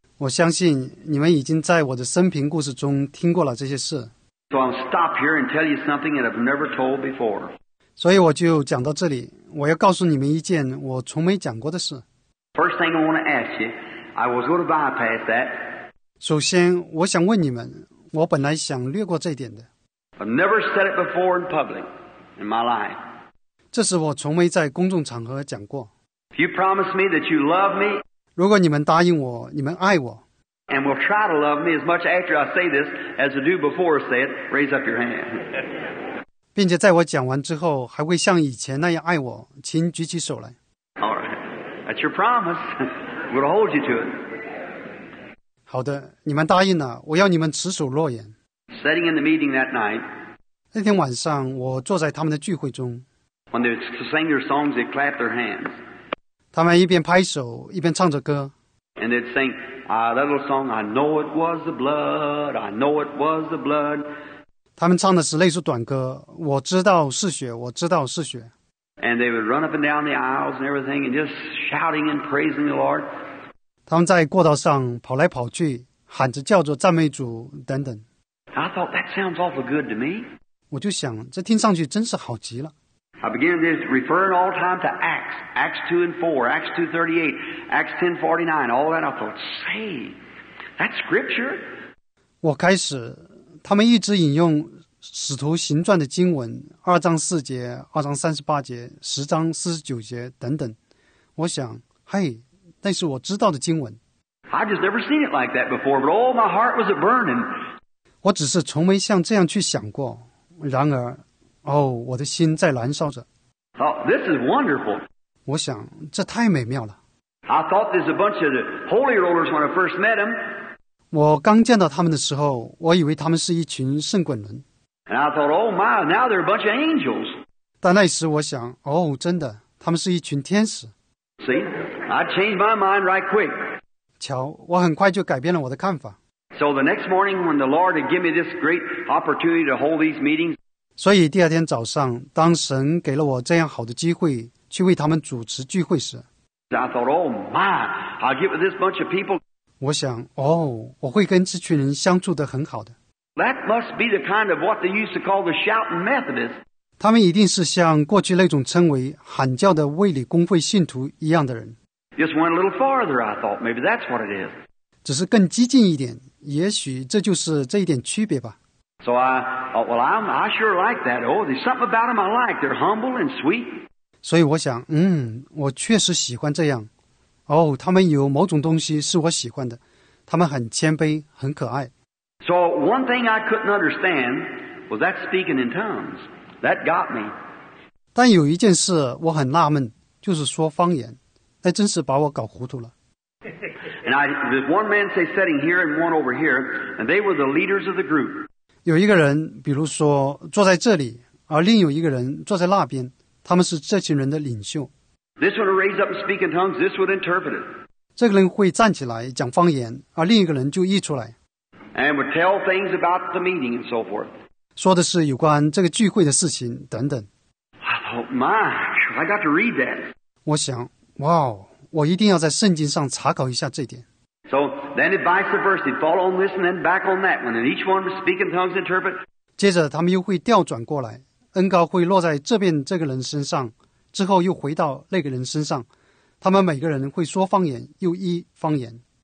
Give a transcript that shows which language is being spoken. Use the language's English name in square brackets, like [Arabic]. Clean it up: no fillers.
[Chinese] 我相信你们已经在我的生平故事中听过了这些事。 [English] So I'll stop here and tell you something that I've never told before. [Chinese] 所以我就讲到这里，我要告诉你们一件我从没讲过的事。 [English] First thing I want to ask you, I was going to bypass that. [Chinese] 首先，我想问你们，我本来想略过这点的。 [English] I've never said it before in public in my life. [Chinese] 这是我从没在公众场合讲过。 [English] If you promise me that you love me, [Chinese] 如果你们答应我，你们爱我 [English] and will try to love me as much after I say this as I do before I say it, raise up your hand. [Chinese] 并且在我讲完之后还会像以前那样爱我，请举起手来。 [English] All right. That's your promise. We'll hold you to it. [Chinese] 好的，你们答应了，我要你们持守诺言。 [English] Sitting in the meeting that night, [Chinese] 那天晚上我坐在他们的聚会中。 [English] When they sang their songs, they clapped their hands. [Chinese] 他们一边拍手一边唱着歌。 [English] And they'd sing that little song, I know it was the blood, I know it was the blood. [Chinese] 他们唱的是那首短歌，我知道是血，我知道是血。 [English] And they would run up and down the aisles and everything and just shouting and praising the Lord. [Chinese] 他们在过道上跑来跑去，喊着叫着赞美主等等。 [English] I thought that sounds awful good to me. [Chinese] 我就想这听上去真是好极了。 [English] I began this referring all the time to Acts, Acts 2 and 4, Acts 2:38, Acts 10:49, all that. I thought, say, that's scripture. [Chinese] 我开始，他们一直引用《使徒行传》的经文，二章四节、二章三十八节、十章四十九节等等。我想，嘿，那是我知道的经文。 [English] I just never seen it like that before, but my heart was a burning. [Chinese] 我只是从没像这样去想过，然而。哦，我的心在燃烧着。 [English] Oh, this is wonderful. [Chinese] 我想这太美妙了。 [English] I thought there's a bunch of the holy rollers when I first met them. [Chinese] 我刚见到他们的时候，我以为他们是一群圣滚轮。 [English] And I thought, oh my, now they're a bunch of angels. [Chinese] 但那时我想，哦，真的，他们是一群天使。 [English] See, I changed my mind right quick. [Chinese] 瞧，我很快就改变了我的看法。 [English] So the next morning, when the Lord had given me this great opportunity to hold these meetings. [Chinese] 所以第二天早上，当神给了我这样好的机会去为他们主持聚会时， [English] I thought, oh my, I'll get with this bunch of people. [Chinese] 我想，哦，我会跟这群人相处得很好的。 [English] That must be the kind of what they used to call the shouting Methodist. [Chinese] 他们一定是像过去那种称为喊叫的卫理公会信徒一样的人。 [English] Just went a little farther, I thought. Maybe that's what it is. [Chinese] 只是更激进一点，也许这就是这一点区别吧。 [English] So I thought, well, I sure like that. Oh, there's something about them I like. They're humble and sweet. [Chinese] 所以我想，嗯，我确实喜欢这样。哦，他们有某种东西是我喜欢的。他们很谦卑，很可爱。 [English] So one thing I couldn't understand was that speaking in tongues. That got me. [Chinese] 但有一件事我很纳闷，就是说方言。那真是把我搞糊涂了。 [English] And there's one man, say, sitting here and one over here, and they were the leaders of the group. [Chinese] 有一个人比如说坐在这里，而另有一个人坐在那边，他们是这群人的领袖。 [English] This one would raise up and speak in tongues, this would interpret it. [Chinese] 这个人会站起来讲方言，而另一个人就译出来。 [English] And would tell things about the meeting and so forth. [Chinese] 说的是有关这个聚会的事情等等。 [English] Oh my, I got to read that. [Chinese] 我想，哇，我一定要在圣经上查考一下这点。 [English] So then it vice versa, they'd fall on this and then back on that one, and each one would speak in tongues and interpret. [Chinese] 接着他们又会调转过来，恩膏会落在这边这个人身上，之后又回到那个人身上，他们每个人会说方言，又译方言。